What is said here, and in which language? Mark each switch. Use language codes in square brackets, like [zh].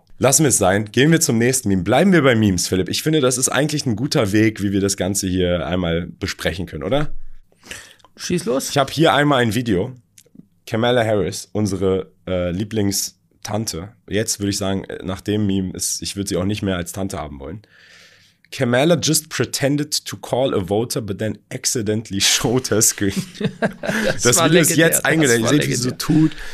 [de] Lassen wir es sein, gehen wir zum nächsten Meme. Bleiben wir bei Memes, Philipp. Ich finde, das ist eigentlich ein guter Weg, wie wir das Ganze hier einmal besprechen können, oder? Schieß los. Ich habe hier einmal ein Video. Kamala Harris, unsere Lieblingstante. Jetzt würde ich sagen, nach dem Meme, ich würde sie auch nicht mehr als Tante haben wollen. [en] Kamala just pretended to call a voter, but then accidentally showed her screen. [de] Das Video ist jetzt eingeladen. Ihr seht, wie sie so tut.